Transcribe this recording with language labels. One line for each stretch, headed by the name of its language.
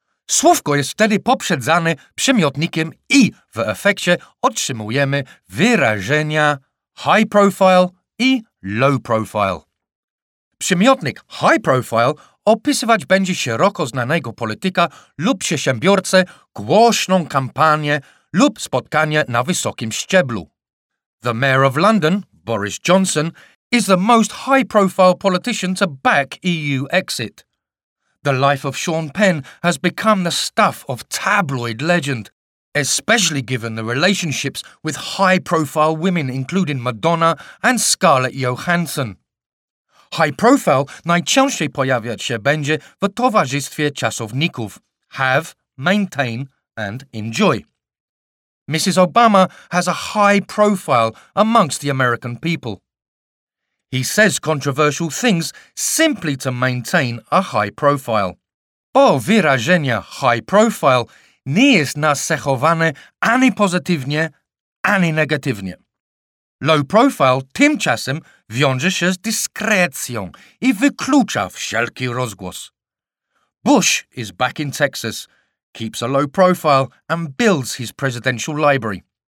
Polish: Słówko jest wtedy poprzedzane przymiotnikiem i w efekcie otrzymujemy wyrażenia high profile i low profile. Przymiotnik high profile opisywać będzie szeroko znanego polityka lub przedsiębiorcę, głośną kampanię lub spotkanie na wysokim szczeblu.
English: The Mayor of London, Boris Johnson, is the most high profile politician to back EU exit. The life of Sean Penn has become the stuff of tabloid legend, especially given the relationships with high profile women including Madonna and Scarlett Johansson.
Polish: High profile najczęściej pojawiać się będzie w towarzystwie czasowników
English: have, maintain and enjoy. Mrs. Obama has a high profile amongst the American people. He says controversial things simply to maintain a high profile.
Polish: Bo wyrażenie high profile nie jest nacechowane ani pozytywnie, ani negatywnie. Low profile tymczasem wiąże się z dyskrecją i wyklucza wszelki rozgłos.
English: Bush is back in Texas, keeps a low profile and builds his presidential library.